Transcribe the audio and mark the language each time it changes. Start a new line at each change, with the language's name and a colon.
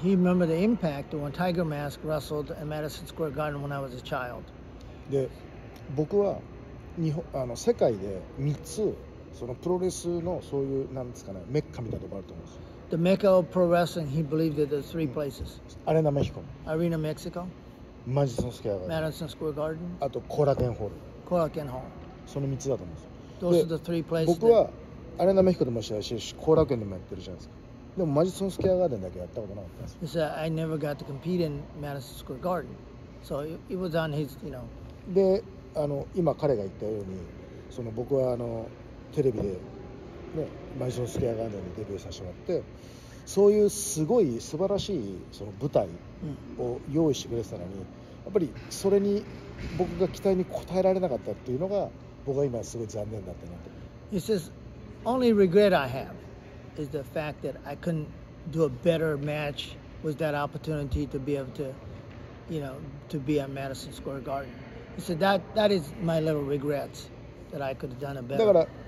English: He remembered the impact when Tiger Mask wrestled at Madison Square Garden when I was a child.
Japanese: そのプロレスのそういうなんですかね、メッカみたいなところあると思うんですよ。
English: The Mecca of pro wrestling, he believed that there's three places. Arena Mexico. Arena Mexico. Madison Square Garden. Madison Square Garden.
Japanese: あと後楽園ホール。後楽園 Hall. その 3 つだと思うんですよ。
English: Those are the three places.
Japanese: 僕はArena Mexico でも試合してるし、後楽園でもやってるじゃないですか。でもMadison Square Gardenだけやったことなかったんですよ。
English: He said, I never got to compete in Madison Square Garden. So it was on his, you know.
Japanese: で、今彼が言ったように、その僕はあの、 テレビでね、マジソンスケアガーデンでデビューさせてもらって、そういうすごい素晴らしいその舞台を用意してくれてたのに、やっぱりそれに僕が期待に応えられなかったっていうのが僕は今すごい残念だったなと。
English: He says, only regret I have is the fact that I couldn't do a better match with that opportunity to be able to, you know, to be at Madison Square Garden. He said that is my little regret, that I could have done a better.